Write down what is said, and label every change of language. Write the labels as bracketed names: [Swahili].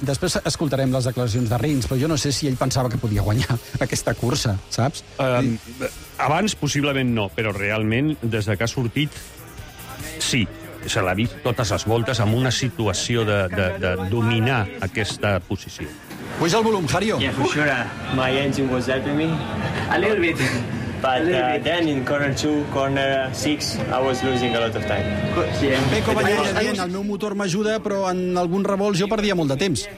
[Catalan] Després escoltarem les declaracions de Rins, però jo no sé si ell pensava que podia guanyar aquesta cursa, saps? Abans, possiblement no, però realment, des que ha sortit, sí. Se l'ha vist totes les voltes amb una situació de dominar aquesta posició. Puja el volum, Jario. [English] Yeah, for sure. My engine was helping me a little bit. But then in corner 2, corner 6, I was losing a lot of time. Yeah. [Catalan] Peco Bagnaia dient, el meu motor m'ajuda, però en alguns revolts jo perdia molt de temps.